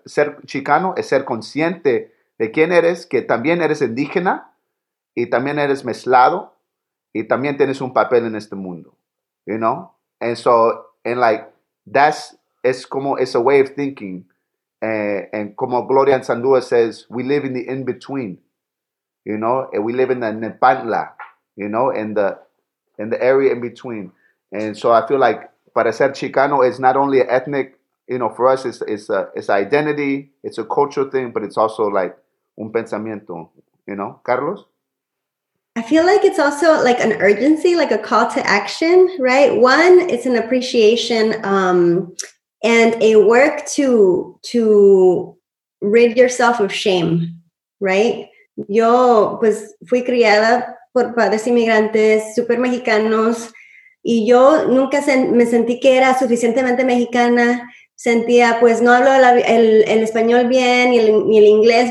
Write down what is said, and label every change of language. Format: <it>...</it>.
<es>Ser Chicano es ser consciente de quién eres, que también eres indígena y también eres mezclado. Y también tienes un papel en este mundo,</es> <en>you know? And so, and like, that's,</en> <es>es como,</es> <en>it's a way of thinking. And como Gloria Anzandúa says, we live in the in-between, you know? And we live in the Nepantla, you know? In the area in between. And so I feel like,</en> <es>para ser Chicano,</es> <en>it's not only an ethnic, you know, for us, it's identity, it's a cultural thing, but it's also like</en> <es>un pensamiento,</es> <en>you know? Carlos? I feel like it's also like an urgency, like a call to action, right? One, it's an appreciation and a work to rid yourself of shame, right?</en> <es>Yo pues fui criada por padres inmigrantes, super mexicanos, y yo nunca me sentí que era suficientemente mexicana. Sentía, pues, no hablo el español bien ni el inglés.</es>